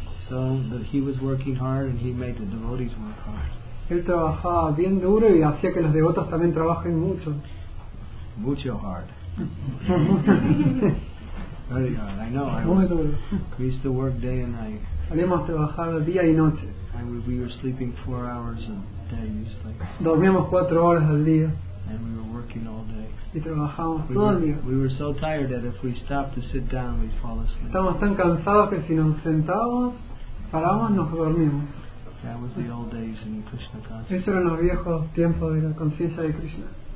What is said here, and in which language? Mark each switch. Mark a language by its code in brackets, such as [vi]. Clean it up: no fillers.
[en] So he was working hard, and he made the devotees work hard. [es] Él trabajaba bien duro y hacía que los devotos también trabajen mucho. Mucho [en] hard. Very hard. I know. We used to work day and night. [es] Habíamos trabajado día y noche. [en] And we were sleeping 4 hours a day, usually. [es] Dormíamos 4 horas al día. [en] And we were working all day. [es] Y trabajábamos todo el día. [en] We were so tired that if we stopped to sit down, we'd fall asleep. [es] Estábamos tan cansados que si nos sentábamos, paramos, nos dormimos. [en] That was the old days in Krishna consciousness. [es] Esos eran los viejos tiempos de la conciencia de Krishna.